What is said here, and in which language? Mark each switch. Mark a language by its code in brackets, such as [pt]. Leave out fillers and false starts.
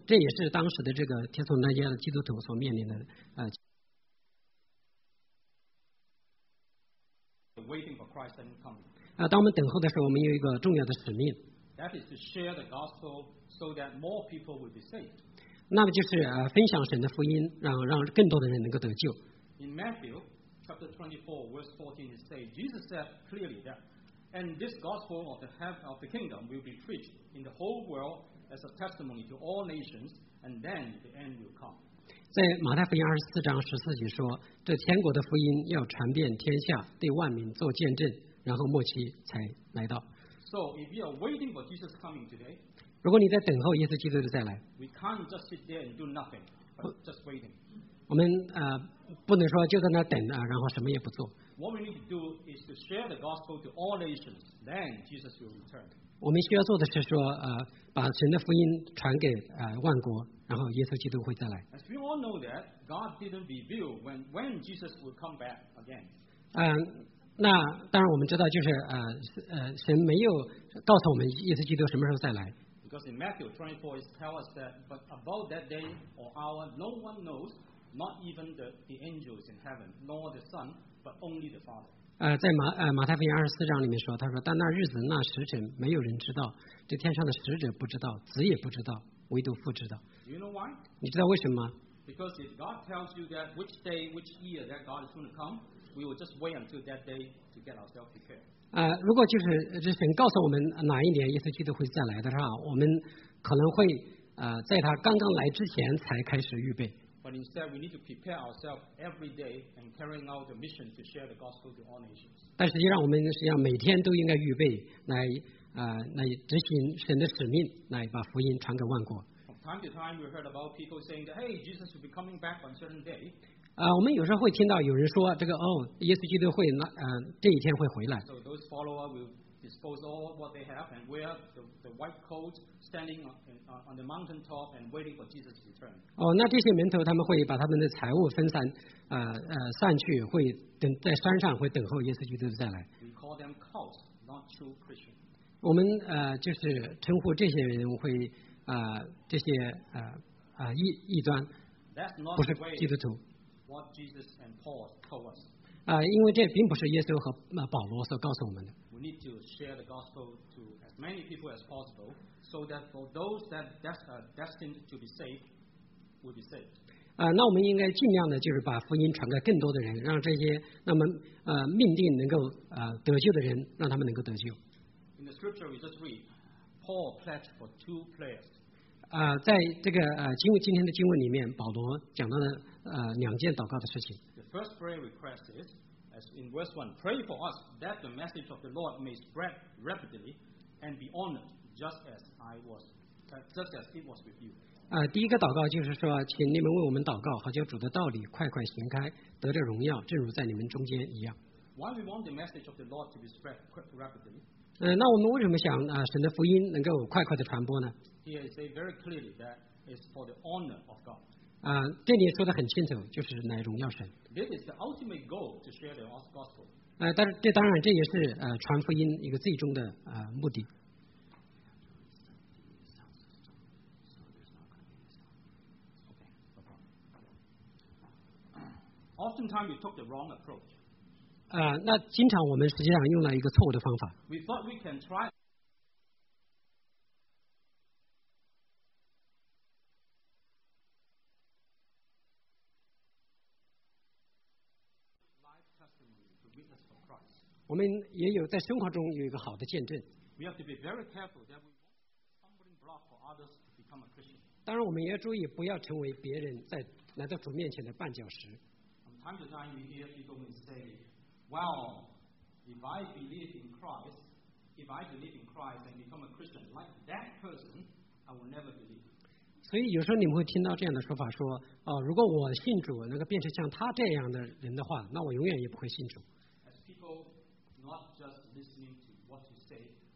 [zh] 这也是当时的这个帖撒罗尼迦的基督徒所面临的 [en] Waiting for Christ and coming. [zh] 当我们等候的时候，我们有一个重要的使命。 [en] That is to share the gospel so that more people will be saved. [zh] 那么就是分享神的福音，让更多的人能够得救。 [en] In Matthew chapter 24, verse 14, it says, Jesus said clearly that, and this gospel of the heaven of the kingdom will be preached in the whole world as a testimony to all nations, and then the end will come. [zh] 在马太福音24:14说，这天国的福音要传遍天下，对万民做见证，然后末期才来到。 [en] So if you are waiting for Jesus coming today, [zh] 如果你在等候耶稣基督的再来， [en] we can't just sit there and do nothing, but just waiting. [zh] 我们不能说就在那等然后什么也不做。 [en] What we need to do is to share the gospel to all nations, then Jesus will return. [zh] 我们需要做的是说把神的福音传给万国。然后耶稣基督会再来。 [en] As we all know that God didn't reveal when Jesus would come back again. [zh] 那当然我们知道就是神没有告诉我们耶稣基督什么时候再来。 [en] Because in Matthew 24 it tells us that but about that day or hour no one knows, not even the angels in heaven, nor the Son, but only the Father. [zh] 在马太福音24里面说，他说但那日子那时辰没有人知道，这天上的使者不知道，子也不知道，唯独父知道。 [en] You know why? [zh] 你知道为什么吗？ [en] Because if God tells you that which day, which year that God is going to come, we will just wait until that day to get ourselves prepared. [zh] 如果就是神告诉我们哪一年耶稣基督会再来的话，我们可能会在他刚刚来之前才开始预备。 [en] But instead, we need to prepare ourselves every day and carrying out the mission to share the gospel to all nations. [zh] 但实际上，我们实际上每天都应该预备来来执行神的使命，来把福音传给万国。 [en] Time to time, we heard about people saying that, "Hey, Jesus will be coming back on certain day." [zh] 我们有时候会听到有人说这个哦，耶稣基督会这一天会回来。 [en] So those followers will dispose all what they have and wear the white coat, standing on the mountain top and waiting for Jesus to return. [zh] 那这些门徒他们会把他们的财物分散散去，会等在山上会等候耶稣基督再来。 [en] We call them cults, not true Christians. [zh] 我们就是称呼这些人会。这些异端不是基督徒。 [en] What Jesus and Paul told us. [zh] 因为这并不是耶稣和保罗所告诉我们的。 [en] We need to share the gospel to as many people as possible, so that for those that are destined to be saved, will be saved. [zh] 那我们应该尽量的就是把福音传给更多的人，让这些那么命定能够得救的人，让他们能够得救。 [en] In the scripture we just read. Paul pledged for two players. [zh] 在这个今天的经文里面，保罗讲到了两件祷告的事情。 [en] The first prayer request is, as in verse 1, pray for us that the message of the Lord may spread rapidly and be honored, just as it was with you. [zh] 第一个祷告就是说，请你们为我们祷告，好叫主的道理快快行开，得着荣耀，正如在你们中间一样。 [en] Why we want the message of the Lord to be spread rapidly? [zh] 那我们为什么想神的福音能够快快的传播呢？ [en] Here it says very clearly that it's for the honor of God. [zh] 这里说得很清楚，就是来荣耀神。 [en] This is the ultimate goal to share the gospel. [zh] 但是这当然这也是传福音一个最终的目的。 [en] Oftentimes we took the wrong approach. [zh] 那经常我们实际上用了一个错误的方法。 [en] We thought we can try witness for Christ. [zh] 我们也有在生活中有一个好的见证。 [en] We have to be very careful that we won't stumbling block for others to become a Christian. [zh] 当然，我们也要注意不要成为别人在来到主面前的绊脚石。 [en] From time to time, we hear people who say, "Well, if I believe in Christ, if I believe in Christ and become a Christian like that person, I will never believe." [zh] 所以有时候你们会听到这样的说法，说，哦，如果我信主，那个变成像他这样的人的话，那我永远也不会信主。 [en] As people not just listening to what you say.